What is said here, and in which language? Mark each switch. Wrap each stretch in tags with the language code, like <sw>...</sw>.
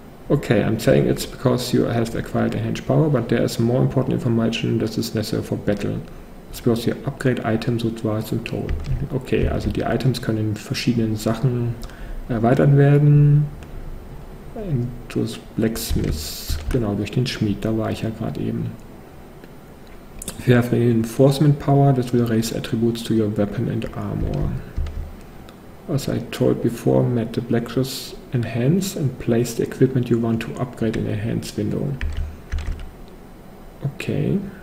<en>Okay, I'm saying it's because you have acquired enhanced power, but there is more important information that is necessary for battle. It's because you upgrade items so twice in total.</en> <de>Okay, also die Items können in verschiedenen Sachen erweitert werden. Durch Blacksmith, genau, durch den Schmied, da war ich ja gerade eben.</de> <en>If you have reinforcement power, that will raise attributes to your weapon and armor. As I told before, met the Blacksmith enhance and place the equipment you want to upgrade in the enhance window. Okay.</en>